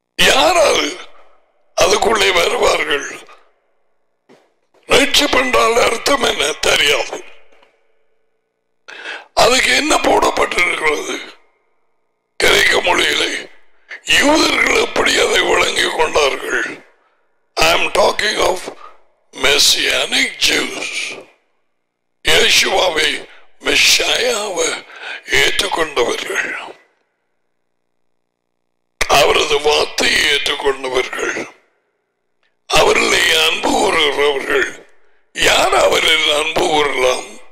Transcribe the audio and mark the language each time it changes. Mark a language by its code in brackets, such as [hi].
[ta] யாராவது அதுக்குள்ளே வருவார்கள். ரட்சிப்பு என்றால் அர்த்தம் என்ன தெரியாது. அதுக்கு என்ன போடப்பட்டிருக்கிறது கிரேக்க மொழியிலே? யூதர்கள் எப்படி அதை விளங்கி கொண்டார்கள்? [en] I am talking of messianic Jews. [ta] யேசுவாவை மெஷ்ஷாயாவை ஏற்றுக்கொண்டவர்கள், அவரது வார்த்தையை ஏற்றுக்கொண்டவர்கள், அவர்களை அன்பு கூறுகிறவர்கள். யார் அவரில் அன்பு கூறலாம்?